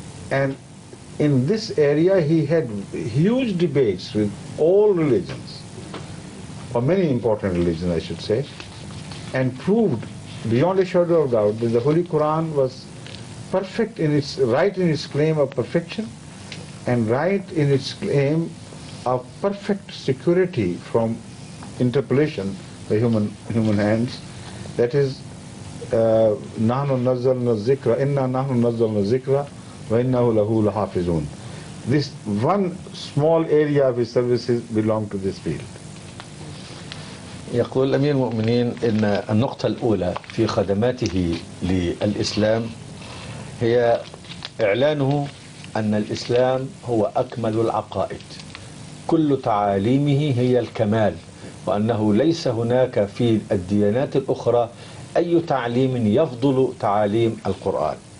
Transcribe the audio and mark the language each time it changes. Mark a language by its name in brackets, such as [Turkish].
[English] And in this area he had huge debates with all religions, or many important religions I should say, and proved beyond a shadow of doubt that the Holy Quran was perfect in its right in its claim of perfection, and right in its claim of perfect security from interpolation by human hands. That is, [Arabic] نَحْنُ نَزَّلْنَا الزِّكْرَ إِنَّا نَحْنُ نَزَّلْنَا الزِّكْرَ وَإِنَّهُ لَهُ لَحَافِظُونَ. [English] This one small area of his services belong to this field. [Arabic] يقول أمير المؤمنين إن النقطة الأولى في خدماته للإسلام هي إعلانه أن الإسلام هو أكمل العقائد، كل تعاليمه هي الكمال، وأنه ليس هناك في الديانات الأخرى أي تعليم يفضل تعاليم القرآن